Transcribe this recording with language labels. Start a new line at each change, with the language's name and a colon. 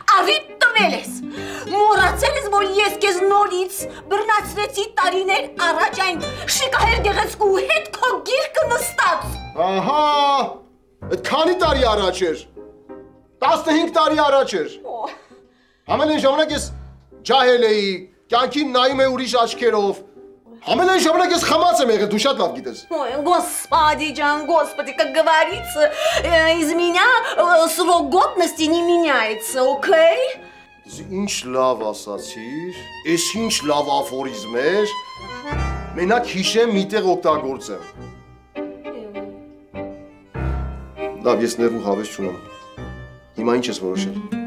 Armenian: Առիթ տվել ես, մոռացել ես, որ ես քեզ նորից բռնացրեցի տարիներ առաջ այն շիկահեր գեղեցկու հետ քո գիրկը նստած։ Ահա, այդ քանի տարի առաջ էր, 15 տարի առաջ էր, համենայն ժամանակ ես ջահել էի, կյանքին նայում էի ուրիշ աչքերով, համենայն ժամանակ ես խմած եմ եղել, դու շատ լավ գիտես։
Russian: Ой, господи, ջան, господи, как говорится, из меня срок годности не меняется, окей?
Armenian: Ես ինչ լավ ասացիր, ես ինչ լավ աֆորիզմ էր, մենակ հիշեմ միտեղ օգտագործեմ։ Լավ, ես ներող հավես չունեմ, հիմա ինչ ես որոշել։